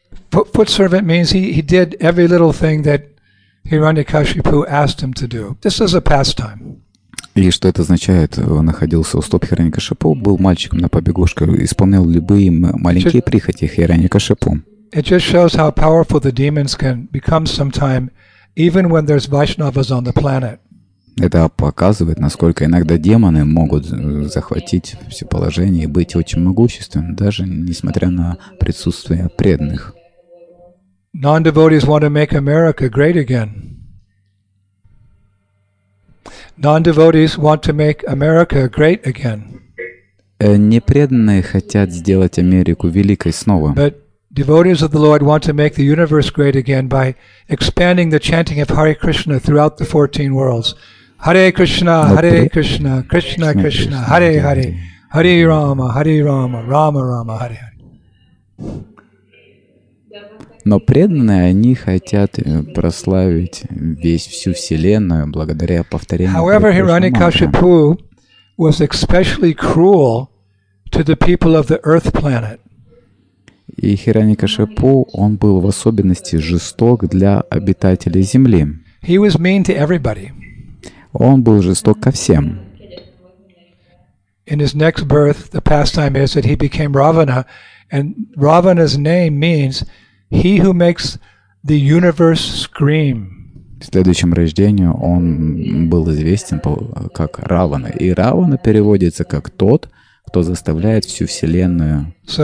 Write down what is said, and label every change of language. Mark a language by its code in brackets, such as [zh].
[en] Foot servant means he did every little thing that Hiranyakashipu asked him to do. This is a pastime. [ru] И что это означает? Он находился у стоп Хиранья-Кашипу, был мальчиком на побегушках, исполнял любые маленькие прихоти Хиранья-Кашипу. [en] It just shows how powerful the demons can become sometime. Even when there's Vaishnavas on the planet. [ru] Это показывает, насколько иногда демоны могут захватить все положение и быть очень могущественными, даже несмотря на присутствие преданных. [en] Non-devotees want to make America great again. Non-devotees want to make America great again. [ru] Непреданные хотят сделать Америку великой снова. [en] Devotees of the Lord want to make the universe great again by expanding the chanting of Hare Krishna throughout the 14 worlds. [sa] Hare Krishna, Hare Krishna, Krishna Krishna, Hare Hare, Hare Rama, Hare Rama, Rama Rama, Hare Hare. [ru] Но преданные, они хотят прославить весь всю вселенную благодаря повторению. [en] However, Hiranyakashipu was especially cruel to the people of the Earth planet. [ru] И Хиранья-Кашипу, он был в особенности жесток для обитателей Земли. [en] He was mean to everybody. [ru] Он был жесток ко всем. [en] In his next birth, the pastime is that he became Ravana, and Ravana's name means he who makes the universe scream. [ru] В следующем рождении он был известен как Равана, и Равана переводится как тот, кто заставляет всю вселенную